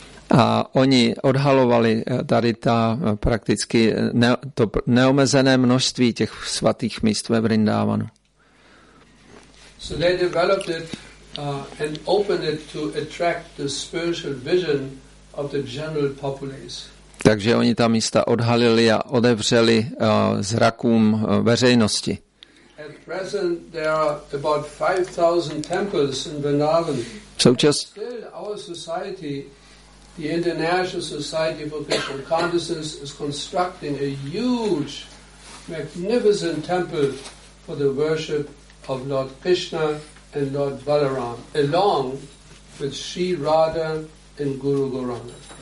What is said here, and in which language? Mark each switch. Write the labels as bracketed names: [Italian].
[Czech] A oni odhalovali tady to neomezené množství těch svatých míst ve Vrindávanu. [English] So they developed it and opened it to attract the spiritual vision of the general populace. [Czech] Takže oni ta místa odhalili a otevřeli zrakům veřejnosti. [English] At present there are about 5,000 temples in Vrindavan. Still our society, the International Society for Krishna Consciousness, is constructing a huge, magnificent temple for the worship of Lord Krishna and Lord Balaram, along with Sri Radha and Guru Gauranga.